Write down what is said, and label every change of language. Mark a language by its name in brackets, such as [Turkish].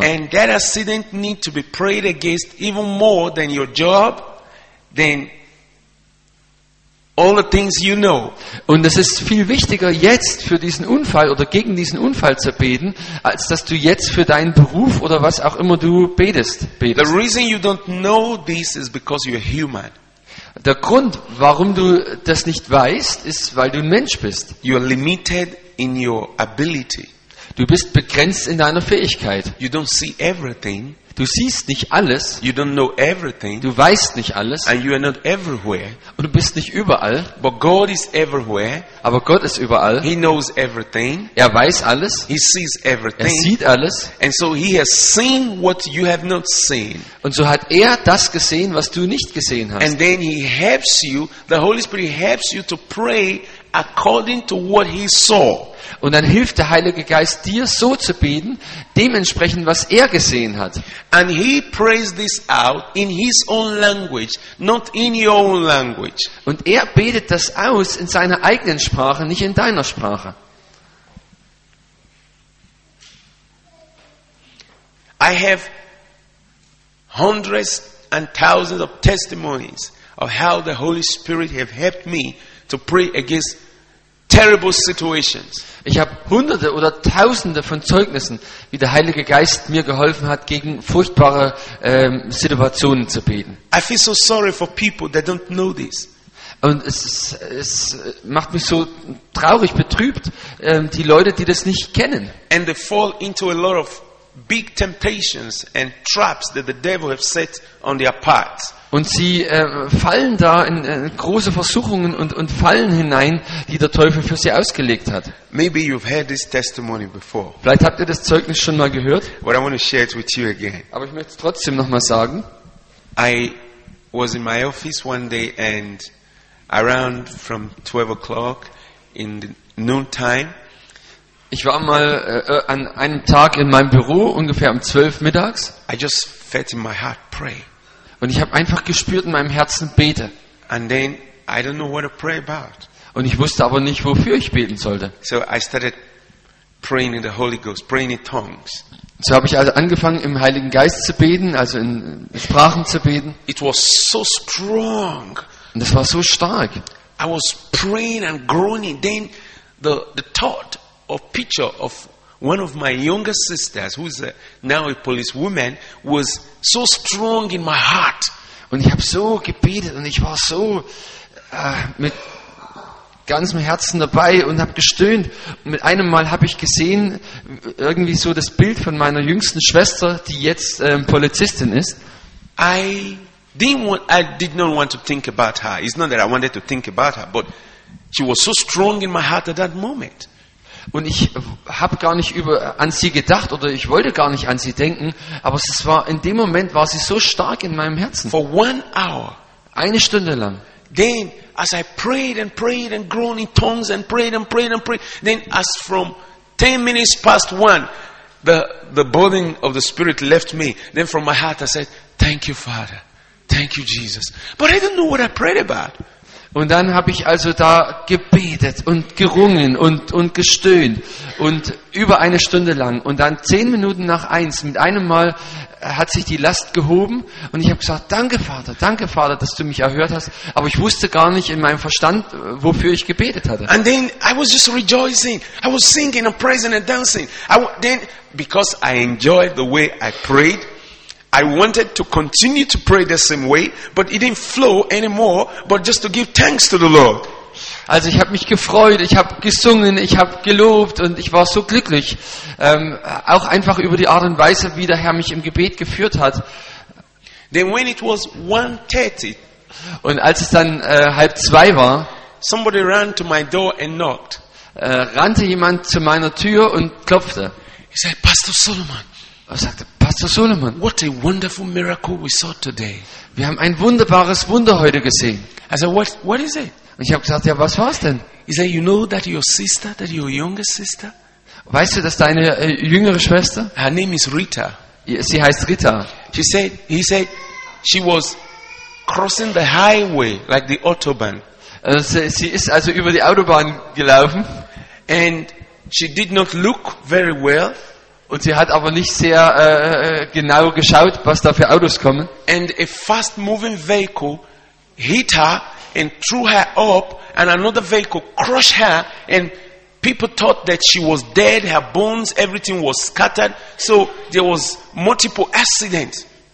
[English] And that accident need to be prayed against even more than your job, than all the things you know. [German] Und es ist viel wichtiger, jetzt für diesen Unfall oder gegen diesen Unfall zu beten, als dass du jetzt für deinen Beruf oder was auch immer du betest. [English] The reason you don't know this is because you're human. [German] Der Grund, warum du das nicht weißt, ist, weil du ein Mensch bist. [English] You are limited in your ability. [German] Du bist begrenzt in deiner Fähigkeit. [English] You don't see everything. [German] Du siehst nicht alles. [English] You don't know everything. [German] Du weißt nicht alles. [English] And you are not everywhere. [German] Und du bist nicht überall. [English] But God is everywhere. [German] Aber Gott ist überall. [English] He knows everything. [German] Er weiß alles. [English] He sees everything. [German] Er sieht alles. [English] And so he has seen what you have not seen. [German] Und so hat er das gesehen, was du nicht gesehen hast. [English] And then he helps you. The Holy Spirit helps you to pray according to what he saw. [German] Und dann hilft der Heilige Geist dir so zu beten, dementsprechend was er gesehen hat. [English] And he prays this out in his own language, not in your own language. [German] Und er betet das aus in seiner eigenen Sprache, nicht in deiner Sprache. [English] I have hundreds and thousands of testimonies of how the Holy Spirit have helped me to pray against terrible situations. [German] Ich habe hunderte oder tausende von Zeugnissen, wie der Heilige Geist mir geholfen hat, gegen furchtbare Situationen zu beten. [English] I feel so sorry for people that don't know this. [German] Und es macht mich so traurig, betrübt, die Leute, die das nicht kennen. [English] And they fall into a lot of big temptations and traps that the devil have set on their path. [German] Und sie fallen da in große Versuchungen und Fallen hinein, die der Teufel für sie ausgelegt hat. [English] Maybe you've heard this testimony before. [German] Vielleicht habt ihr das Zeugnis schon mal gehört. [English] But I want to share it with you again. [German] Aber ich möchte es trotzdem noch mal sagen. [English] I was in my office one day and around from 12 o'clock in the noon time. [German] Ich war mal an einem Tag in meinem Büro ungefähr um 12 mittags. [English] I just felt in my heart pray. [German] Und ich habe einfach gespürt in meinem Herzen, bete. [English] And then, I don't know what to pray about. [German] Und ich wusste aber nicht, wofür ich beten sollte. [English] So I started praying in the Holy Ghost, praying in tongues. [German] So habe ich also angefangen, im Heiligen Geist zu beten, also in Sprachen zu beten. [English] It was so strong. [German] Und es war so stark. [English] I was praying and groaning. Then the thought of picture of one of my younger sisters, who is now a policewoman, was so strong in my heart. [German] Und ich habe so gebetet und ich war so mit ganzem Herzen dabei und habe gestöhnt. Und mit einem Mal habe ich gesehen, irgendwie so das Bild von meiner jüngsten Schwester, die jetzt Polizistin ist. [English] I did not want to think about her. It's not that I wanted to think about her, but she was so strong in my heart at that moment. [German] Und ich habe gar nicht an sie gedacht oder ich wollte gar nicht an sie denken, aber es war in dem Moment war sie so stark in meinem Herzen. [English] For one hour, [German] eine Stunde lang. [English] Then, as I prayed and prayed and groaned in tongues and prayed and prayed and prayed, then as from 10 minutes past one, the burning of the Spirit left me. Then from my heart I said, "Thank you, Father. Thank you, Jesus." But I didn't know what I prayed about. [German] Und dann habe ich also da gebetet und gerungen und gestöhnt und über eine Stunde lang. Und dann 10 Minuten nach eins, mit einem Mal, hat sich die Last gehoben und ich habe gesagt, danke Vater, dass du mich erhört hast. Aber ich wusste gar nicht in meinem Verstand, wofür ich gebetet hatte. [English] And then I was just rejoicing. I was singing and praising and dancing. Then, because I enjoyed the way I prayed, I wanted to continue to pray the same way, but it didn't flow anymore, but just to give thanks to the Lord. [German] Also ich habe mich gefreut, ich habe gesungen, ich habe gelobt und ich war so glücklich. Auch einfach über die Art und Weise, wie der Herr mich im Gebet geführt hat. [English] Then when it was 1:30, [German] und als es dann 1:30 war, [English] somebody ran to my door and knocked. [German] Rannte jemand zu meiner Tür und klopfte. [English] He said, Pastor Solomon. [German] Er sagte, Pastor Solomon, [English] what a wonderful miracle we saw today. [German] Wir haben ein wunderbares Wunder heute gesehen. [English] I said, what is it? [German] Und ich habe gesagt, ja, was war's denn? [English] He said, you know that your sister, that your younger sister? [German] Weißt du, dass deine jüngere Schwester? [English] Her name is Rita. [German] Sie heißt Rita. [English] He said, she was crossing the highway like the autobahn. [German] Sie ist also über die Autobahn gelaufen. [English] And she did not look very well. [German] Und sie hat aber nicht sehr genau geschaut, was da für Autos kommen. [English] And a fast moving vehicle hit her and threw her up, and another vehicle crushed her, and people thought that she was dead, her bones, everything was scattered, so there was multiple accidents.